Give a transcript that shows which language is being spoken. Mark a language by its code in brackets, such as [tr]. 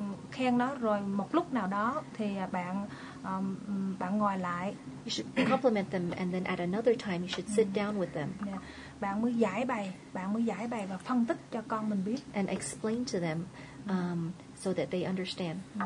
[vi] Khen nó rồi một lúc nào đó thì bạn bạn ngồi lại. [en] You should compliment them and then at another time you should sit down with them. Yeah. [vi] Bạn mới giải bày và phân tích cho con mình biết. [en] And explain to them so that they understand.